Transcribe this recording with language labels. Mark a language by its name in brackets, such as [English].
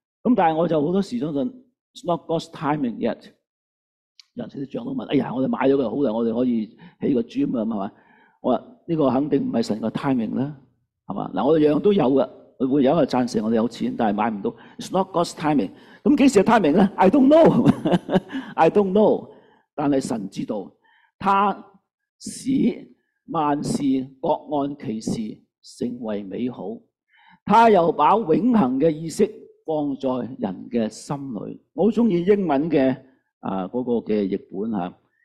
[Cantonese] 咁但系我就好多时相信 [English] not God's timing yet。 [Cantonese] 人哋啲长老问：哎呀，我哋买咗个好啦，我哋可以起个 gym 咁系嘛？我话呢个肯定唔系神嘅 timing 啦。係嘛？嗱，我哋樣樣都有嘅，會有一個贊成我哋有錢，但係買唔到。 [English] It's not God's timing。 [Cantonese] 咁幾時嘅 timing 咧 ？ [English] I don't know，I don't know。 [Cantonese] 但係神知道，他使萬事各按其時成為美好。他又把永恆嘅意識放在人嘅心裏。我好中意英文嘅那個嘅譯本嚇。